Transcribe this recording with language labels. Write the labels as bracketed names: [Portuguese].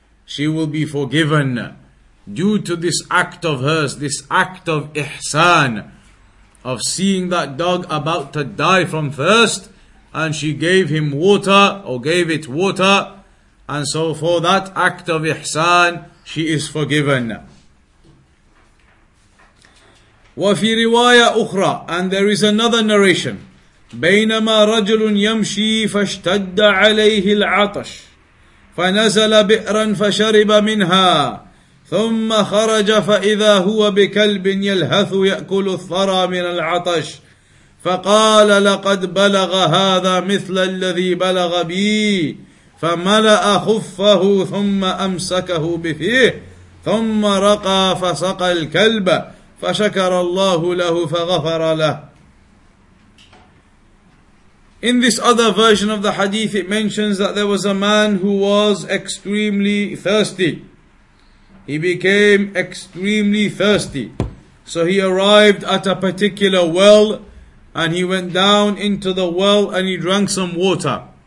[English] She will be forgiven due to this act of hers, this act of ihsan, of seeing that dog about to die from thirst, and she gave him water, or gave it water, and so for that act of ihsan, she is forgiven. [Arabic] وفي رواية أخرى, [English] and there is another narration, [Arabic] بينما رجل يمشي فاشتد عليه العطش فنزل بئرا فشرب منها ثم خرج فإذا هو بكلب يلهث يأكل الثرى من العطش فقال لقد بلغ هذا مثل الذي بلغ بي فملأ خفه ثم أمسكه بفيه ثم رقى فسقى الكلب فشكر الله له فغفر له. [English] In this other version of the hadith, it mentions that there was a man who was extremely thirsty. He became extremely thirsty. So he arrived at a particular well, and he went down into the well and he drank some water.